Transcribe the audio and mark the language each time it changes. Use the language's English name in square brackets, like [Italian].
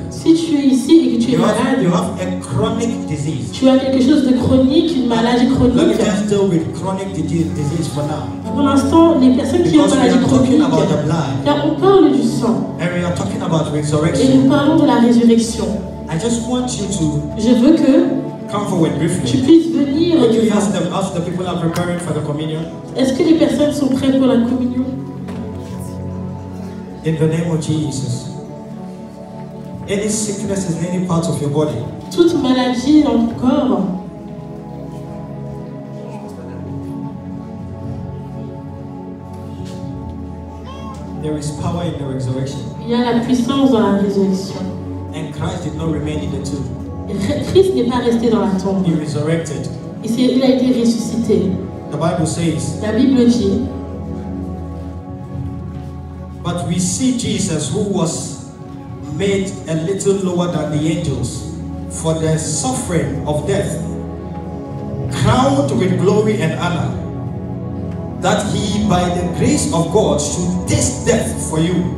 [French] si tu es ici et que tu es malade, [English] you have a chronic disease. [French] Tu as quelque chose de chronique, une maladie chronique. [English] Let me just deal with chronic disease for now. [French] Pour l'instant, les personnes qui [English] because [French] ont maladie chronique, [English] talking about the blood, [French] car on parle du sang, [English] and we are talking about resurrection, [French] et nous parlons de la résurrection. [English] I just want you to [French] je veux que [English] come forward briefly. [French] Tu puisses venir. [English] Would you ask them as the people are preparing for the communion? [French] Est-ce que les personnes sont prêtes pour la communion? [English] In the name of Jesus. Any sickness in any part of your body. [French] Toute maladie dans ton corps. [English] There is power in the resurrection. [French] Il y a la puissance dans la résurrection. [English] And Christ did not remain in the tomb. [French] Christ n'est pas resté dans la tombe. [English] He resurrected. [French] Il a été ressuscité. [English] The Bible says. [French] La Bible dit. [English] But we see Jesus who was made a little lower than the angels for the suffering of death, crowned with glory and honor, that he by the grace of God should taste death for you.